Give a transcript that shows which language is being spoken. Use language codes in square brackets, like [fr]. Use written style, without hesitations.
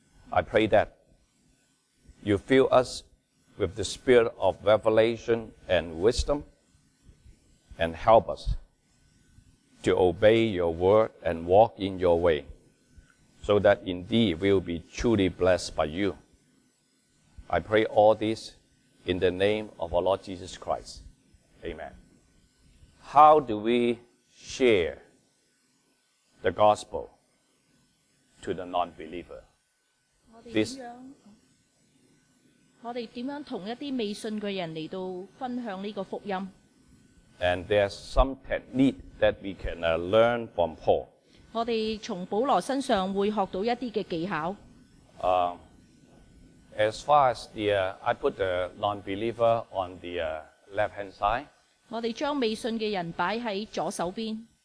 [en] I pray that you fill us with the spirit of revelation and wisdom and help us to obey your word and walk in your way so that indeed we will be truly blessed by you. I pray all this in the name of our Lord Jesus Christ. Amen. How do we share the gospel to the non-believer? [zh] 我们怎样同一些未信的人来分享这个福音? [en] And there's some technique that we can learn from Paul. [zh] 我们从保罗身上会学到一些技巧. [en] As far as the, I put the non-believer on the left-hand side. [zh] 我们将未信的人放在左手边.